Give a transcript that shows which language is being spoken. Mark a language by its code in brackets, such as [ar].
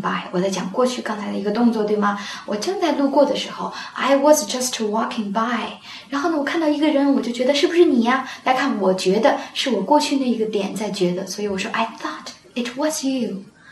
[zh] 我在讲过去刚才的一个动作，对吗？我正在路过的时候， [en] I was just walking by. [zh] 然后呢我看到一个人，我就觉得是不是你呀？来看，我觉得是我过去那一个点在觉得，所以我说 [en] I thought it was you.